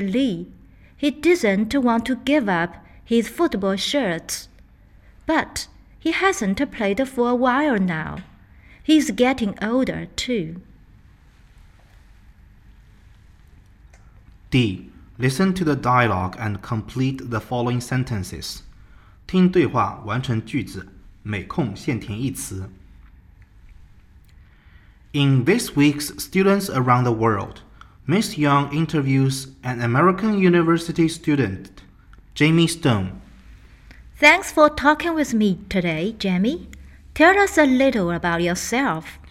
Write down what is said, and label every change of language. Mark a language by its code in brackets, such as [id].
[en] Lee, he didn't want to give up his football shirts, but he hasn't played for a while now. He's getting older too. D. Listen to the dialogue and complete the following sentences. [zh] 听对话，完成句子，每空限填一词。 [en] In this week's Students Around the World, Miss Young interviews an American University student, Jamie Stone. Thanks for talking with me today, Jamie. Tell us a little about yourself.